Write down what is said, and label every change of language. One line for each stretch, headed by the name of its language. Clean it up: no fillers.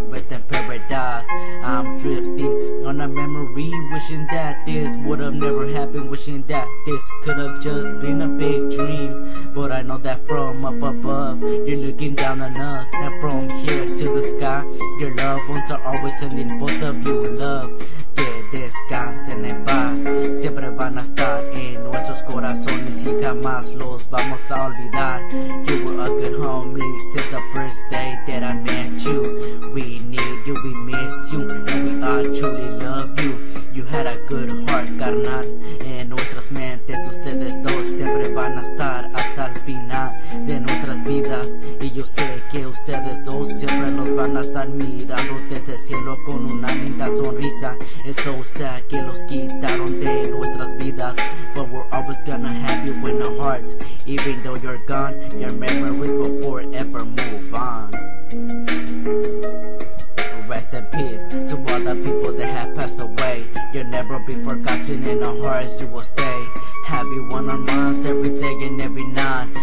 English: rest in paradise. I'm drifting on a memory, wishing that this would've never happened. Wishing that this could've just been a big dream. But I know that from up above, you're looking down on us. And from here to the sky, your loved ones are always sending both of you love.
Spanish: Que descansen en paz, siempre van a estar en nuestros corazones y jamás los vamos a olvidar.
English: You were a good homie since the first day that I met you. We need you, we miss you, and we all truly love you. You had a good heart, carnal,
Spanish: en nuestras mentes. Ustedes dos siempre van a estar hasta el final de nuestras vidas. Y yo sé que ustedes dos siempre los van a estar mirando desde el cielo con una linda sonrisa.
English: It's so sad
Spanish: que los quitaron de nuestras vidas.
English: But we're always gonna have you in our hearts. Even though you're gone, your memory will forever move on. Rest in peace to all the people that have passed away. You'll never be forgotten in our hearts, you will stay. Have you on our minds every day and every night.